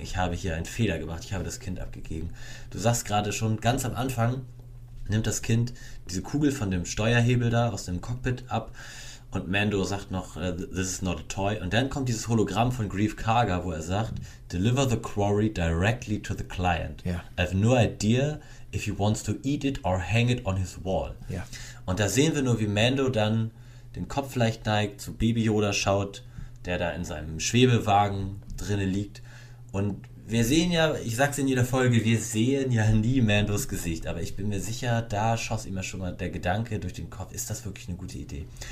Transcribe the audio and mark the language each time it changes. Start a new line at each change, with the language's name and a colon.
German: Ich habe hier einen Fehler gemacht. Ich habe das Kind abgegeben. Du sagst gerade schon, ganz am Anfang nimmt das Kind diese Kugel von dem Steuerhebel da aus dem Cockpit ab und Mando sagt noch,
English: this is not a toy.
German: Und dann kommt dieses Hologramm von Greef Karga, wo er sagt,
English: deliver the quarry directly to the client. Yeah. I have no idea if he wants to eat it or hang it on his wall. Yeah.
German: Und da sehen wir nur, wie Mando dann den Kopf leicht neigt, zu Baby Yoda schaut, der da in seinem Schwebewagen drinnen liegt. Und wir sehen ja, ich sag's in jeder Folge, wir sehen ja nie Mandos Gesicht, aber ich bin mir sicher, da schoss ihm ja schon mal der Gedanke durch den Kopf, ist das wirklich eine gute Idee?